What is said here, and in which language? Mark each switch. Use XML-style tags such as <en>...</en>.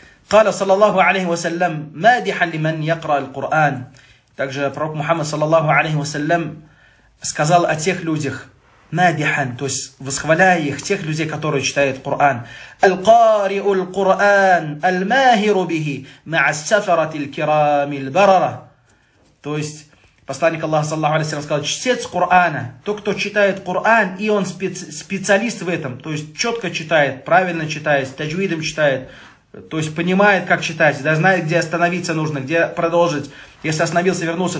<ar>قال صلى الله عليه وسلم مادحا لمن يقرأ القرآن.</ar> <ru>Также пророк Мухаммад</ru> <ar>صلى الله عليه وسلم</ar> <ru>сказал о тех людях مادحا, то есть восхваляя их, тех людей, которые читают Коран.</ru> <ar>القارئ القرآن الماهر به مع السفرة الكرام البررة.</ar> <ru>То есть посланник Аллаха, саллаллаху алейхи ва саллям, сказал, чтец Корана, тот, кто читает Коран, и он специалист в этом, то есть четко читает, правильно читает, с таджвидом читает, то есть понимает, как читать, да, знает, где остановиться нужно, где продолжить, если остановился, вернулся.</ru>